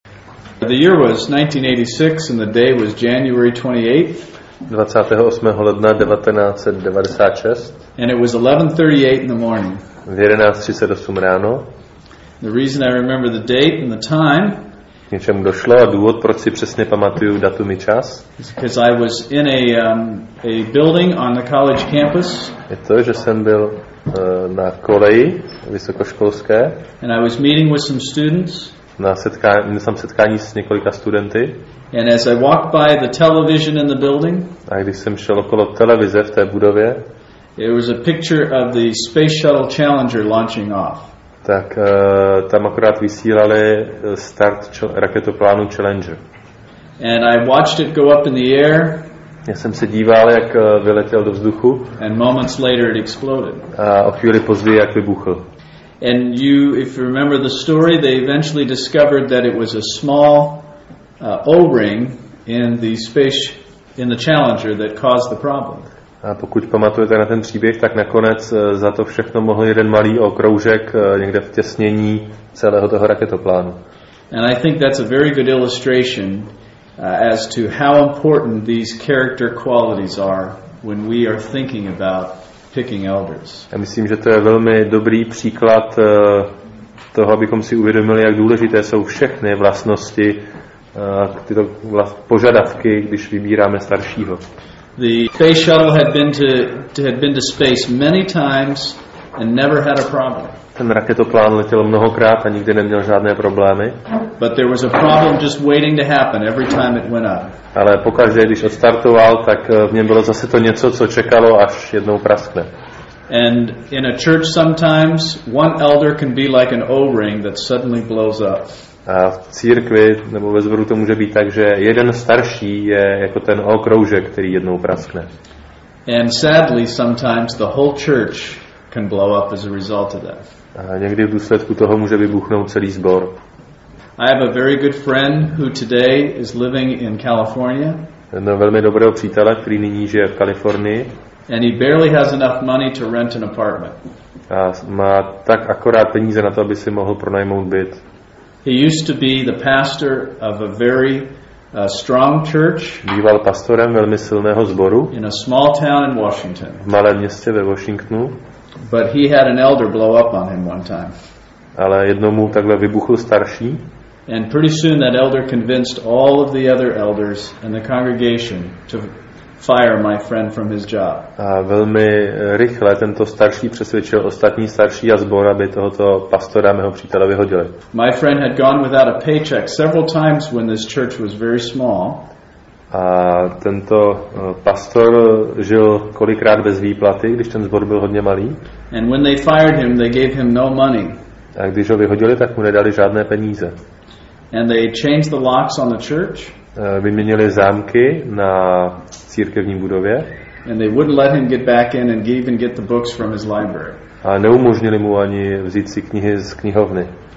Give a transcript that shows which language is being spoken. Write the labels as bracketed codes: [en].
[en] The year was 1986 and the day was January 28th. [cs] 28. ledna 1996. [en] And it was 11:38 in the morning. [cs] V 11:38 ráno. [en] The reason I remember the date and the time. [cs] Něčemu došlo a důvod, proč si přesně pamatuju datum i čas. [en] Because I was in a building on the college campus. [cs] Je to, že jsem byl na koleji vysokoškolské. [en] And I was meeting with some students. [cs] Měl jsem setkání s několika studenty. [en] And as I walked by the television in the building. [cs] A když jsem šel okolo televize v té budově. [en] It was a picture of the Space Shuttle Challenger launching off. [cs] Tak tam akorát vysílali start raketoplánu Challenger. [en] And I watched it go up in the air. [cs] Já jsem se díval, jak vyletěl do vzduchu. [en] And moments later it exploded. [cs] A o chvíli později, jak vybuchl. [en] And you, if you remember the story, they eventually discovered that it was a small O-ring in the space in the Challenger that caused the problem. [cs] A pokud pamatujete na ten příběh, tak nakonec za to všechno mohl jeden malý okroužek někde v těsnění celého toho raketoplánu. [en] And I think that's a very good illustration as to how important these character qualities are when we are thinking about picking elders. [cs] Já myslím, že to je velmi dobrý příklad toho, abychom si uvědomili, jak důležité jsou všechny vlastnosti, tyto požadavky, když vybíráme staršího. [en] The space shuttle had been to space many times and never had a problem. [cs] Ten raketoplán letěl mnohokrát a nikdy neměl žádné problémy. [en] But there was a problem just waiting to happen every time it went up. [cs] Ale pokaždé, když odstartoval, tak v něm bylo zase to něco, co čekalo, až jednou praskne. [en] And in a church sometimes one elder can be like an O-ring that suddenly blows up. [cs] A v církvi nebo ve zboru to může být tak, že jeden starší je jako ten okroužek, který jednou praskne. [en] And sadly sometimes the whole church can blow up as a result of that. [cs] A někdy v důsledku toho může vybuchnout celý sbor. [en] I have a very good friend who today is living in California. [cs] Jedno velmi dobrého přítele, který nyní žije v Kalifornii. [en] And he barely has enough money to rent an apartment. [cs] A má tak akorát peníze na to, aby si mohl pronajmout byt. [en] He used to be the pastor of a very strong church. [cs] Býval pastorem velmi silného sboru. [en] In a small town in Washington. [cs] V malém městě ve Washingtonu. [en] But he had an elder blow up on him one time. [cs] Ale jednou mu takhle vybuchl starší. [en] And pretty soon that elder convinced all of the other elders and the congregation to fire my friend from his job. [cs] A velmi rychle tento starší přesvědčil ostatní starší a zbor, aby tohoto pastora mého přítele vyhodili. [en] My friend had gone without a paycheck several times when this church was very small. [cs] A tento pastor žil kolikrát bez výplaty, když ten zbor byl hodně malý. [en] And when they fired him, they gave him no money. [cs] A když ho vyhodili, tak mu nedali žádné peníze. [en] And they changed the locks on the church. [cs] Vyměnili zámky na církevní budově. [en] And they wouldn't let him get back in and even get the books from his library. [cs] A neumožnili mu ani vzít si knihy z knihovny.